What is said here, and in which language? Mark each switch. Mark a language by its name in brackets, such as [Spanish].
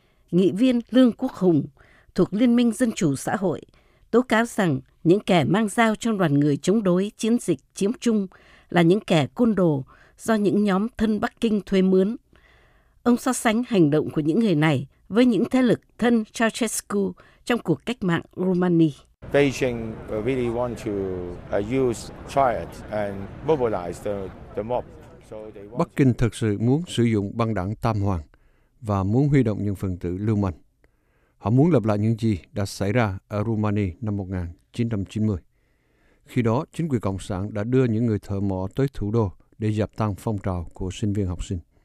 [Vietnamese] Nghị viên Lương Quốc Hùng thuộc Liên minh Dân chủ Xã hội tố cáo rằng những kẻ mang dao trong đoàn người chống đối chiến dịch chiếm trung là những kẻ côn đồ do những nhóm thân Bắc Kinh thuê mướn. Ông so sánh hành động của những người này với những thế lực thân Ceausescu trong cuộc cách mạng Romani. [English] Beijing really want to use triad and mobilize the mob. [Vietnamese] Bắc Kinh thực sự muốn sử dụng băng đảng Tam Hoàng và muốn huy động những phần tử lưu manh. Họ muốn lập lại những gì đã xảy ra ở Romania năm 1990. Khi đó, chính quyền cộng sản đã đưa những người thợ mỏ tới thủ đô để dập tan phong trào của sinh viên học sinh.